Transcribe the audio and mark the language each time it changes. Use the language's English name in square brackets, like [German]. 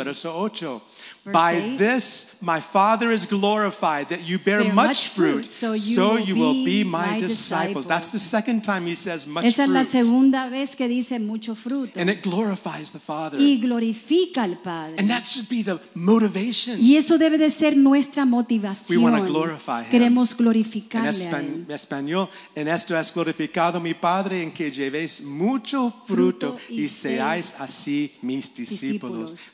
[Spanish] Verso 8. [English] By this my Father is glorified, that you bear much fruit, so you will be my disciples. That's the second time he says much fruit. [Spanish] Esa es la segunda vez que dice mucho fruto. [English] And it glorifies the Father. [Spanish] Y glorifica al Padre. [English] And that should be the motivation. [Spanish] Y eso debe de ser nuestra motivación. [English] We want to glorify him. [Spanish] Queremos glorificarle a él. En español, en esto has glorificado mi Padre, en que llevéis mucho fruto y seáis así mis discípulos.